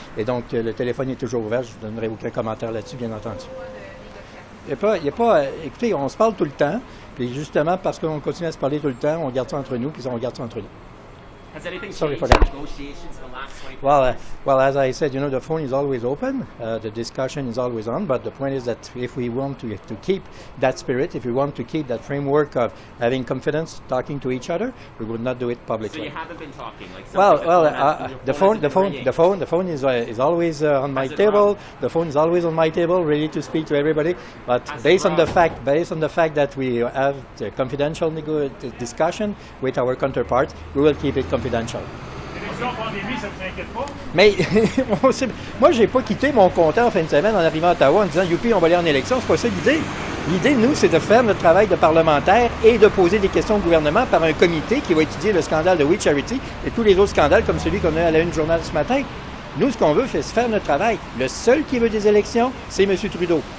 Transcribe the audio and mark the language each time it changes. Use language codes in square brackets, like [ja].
[fr] Et donc, le téléphone est toujours ouvert. Je ne vous donnerai aucun commentaire là-dessus, bien entendu. Écoutez, on se parle tout le temps. Puis justement, parce qu'on continue à se parler tout le temps, on garde ça entre nous, puis on garde ça entre nous. [en] Sorry for that. Well, as I said, you know, the phone is always open. The discussion is always on. But the point is that if we want to keep that spirit, if we want to keep that framework of having confidence, talking to each other, we will not do it publicly. So you haven't been talking. Like the phone is always on my table. The phone is always on my table, ready to speak to everybody. But based on the fact that we have the confidential discussion with our counterpart, we will keep it confidential. [fr] Mais moi, je n'ai pas quitté mon comté en fin de semaine en arrivant à Ottawa en disant « Youpi, on va aller en élection ». C'est pas ça l'idée. L'idée, nous, c'est de faire notre travail de parlementaire et de poser des questions au gouvernement par un comité qui va étudier le scandale de We Charity et tous les autres scandales comme celui qu'on a à la une journal ce matin. Nous, ce qu'on veut, c'est faire notre travail. Le seul qui veut des élections, c'est M. Trudeau.